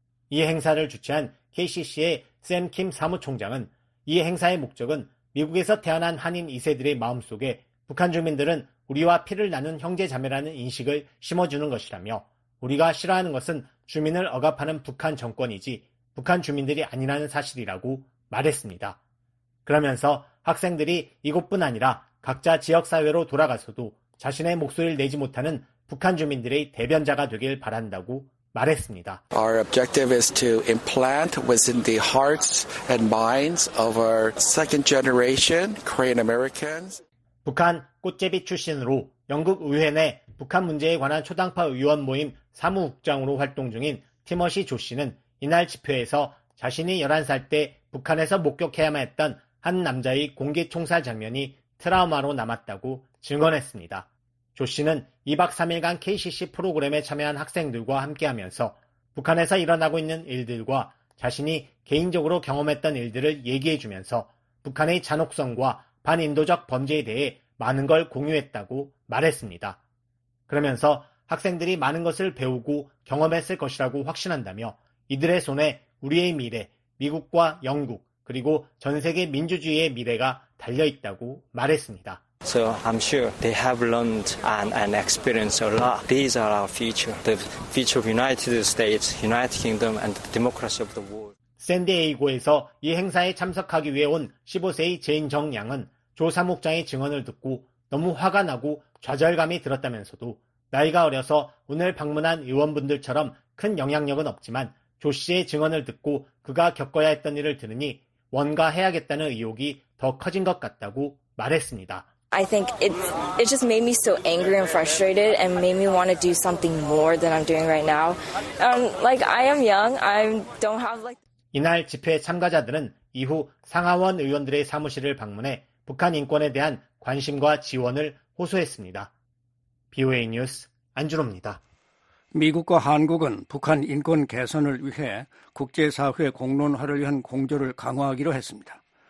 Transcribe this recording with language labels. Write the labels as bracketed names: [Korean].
[Korean] 이 행사를 주최한 KCC의 샘 김 사무총장은 이 행사의 목적은 미국에서 태어난 한인 2세들의 마음속에 북한 주민들은 우리와 피를 나눈 형제자매라는 인식을 심어주는 것이라며 우리가 싫어하는 것은 주민을 억압하는 북한 정권이지 북한 주민들이 아니라는 사실이라고 말했습니다. 그러면서 학생들이 이곳뿐 아니라 각자 지역사회로 돌아가서도 자신의 목소리를 내지 못하는 북한 주민들의 대변자가 되길 바란다고 말했습니다. [English] Our objective is to implant within the hearts and minds of our second generation Korean Americans. [Korean] 북한 꽃제비 출신으로 영국 의회 내 북한 문제에 관한 초당파 의원 모임 사무국장으로 활동 중인 티머시 조 씨는 이날 집회에서 자신이 11살 때 북한에서 목격해야만 했던 한 남자의 공개 총살 장면이 트라우마로 남았다고 증언했습니다. 조 씨는 2박 3일간 KCC 프로그램에 참여한 학생들과 함께하면서 북한에서 일어나고 있는 일들과 자신이 개인적으로 경험했던 일들을 얘기해주면서 북한의 잔혹성과 반인도적 범죄에 대해 많은 걸 공유했다고 말했습니다. 그러면서 학생들이 많은 것을 배우고 경험했을 것이라고 확신한다며 이들의 손에 우리의 미래, 미국과 영국, 그리고 전 세계 민주주의의 미래가 달려 있다고 말했습니다. [English] So I'm sure they have learned and experienced a lot. These are our future, the future of United States, United Kingdom and the democracy of the world. [Korean] 샌디에이고에서 이 행사에 참석하기 위해 온 15세의 제인 정 양은 조 사무국장의 증언을 듣고 너무 화가 나고 좌절감이 들었다면서도 나이가 어려서 오늘 방문한 의원분들처럼 큰 영향력은 없지만 조 씨의 증언을 듣고 그가 겪어야 했던 일을 들으니 원가해야겠다는 의욕이 더 커진 것 같다고 말했습니다. [English] I think it just made me so angry and frustrated and made me want to do something more than I'm doing right now. Like I am young. I don't have like [Korean] 이날 집회 참가자들은 이후 상하원 의원들의 사무실을 방문해 북한 인권에 대한 관심과 지원을 호소했습니다. BOA 뉴스 안준호입니다. 미국과 한국은 북한 인권 개선을 위해 국제사회 공론화를 위한 공조를 강화하기로 했습니다.